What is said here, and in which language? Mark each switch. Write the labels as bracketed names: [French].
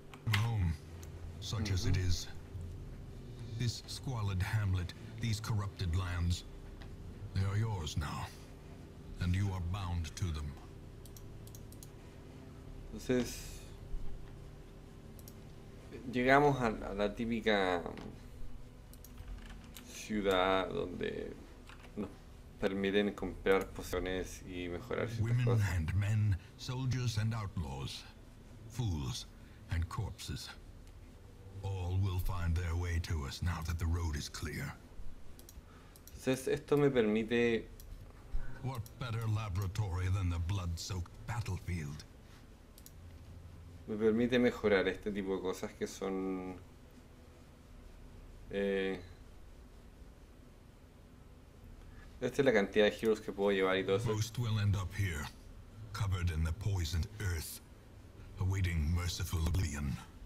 [English] Rome, such as it is, this squalid hamlet, these corrupted lands, they are yours now, and you are bound to them. [Spanish] Entonces, llegamos a la típica ciudad donde permiten comprar pociones y mejorar ciertas [English] Women [Spanish] cosas. [English] and men, soldiers and outlaws, fools and corpses. All will find their way to us now that the road is clear. [Spanish] Entonces esto me permite. [English] What better laboratory than the blood-soaked battlefield? [Spanish] Me permite mejorar este tipo de cosas que son. Esta es la cantidad de heroes que puedo llevar y todo eso. [English] Most will end up here, covered in the poisoned earth, awaiting merciful oblivion.